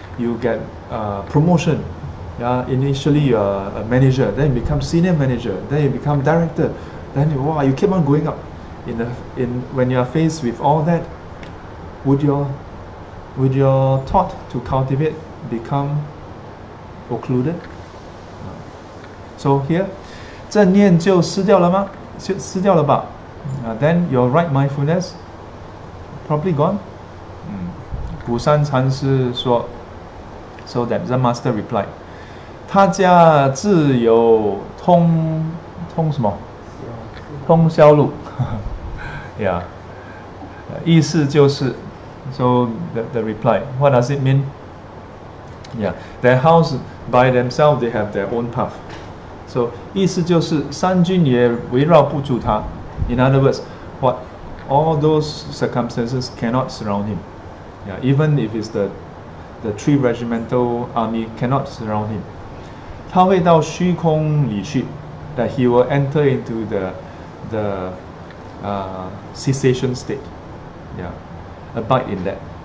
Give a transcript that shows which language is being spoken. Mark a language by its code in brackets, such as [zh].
[en] You get promotion. Yeah. Initially, you're a manager. Then you become senior manager. Then you become director. Then you keep on going up. When you are faced with all that, would your thought to cultivate become occluded? So here, [zh] 正念就失掉了吗？失掉了吧？ [en] Then your right mindfulness probably gone. [zh] 古山禅师说, [en] so that Zen master replied, [zh] 他家自有通什么？通宵路yeah. 意思就是 [en] So the reply, what does it mean? Yeah, their house by themselves, they have their own path. [zh] So 意思就是三军也围绕不住他。 [en] In other words, what all those circumstances cannot surround him. Yeah, even if it's the three regimental army cannot surround him. [zh] 他会到虚空里去。 [en] That he will enter into the cessation state, yeah, abide in that.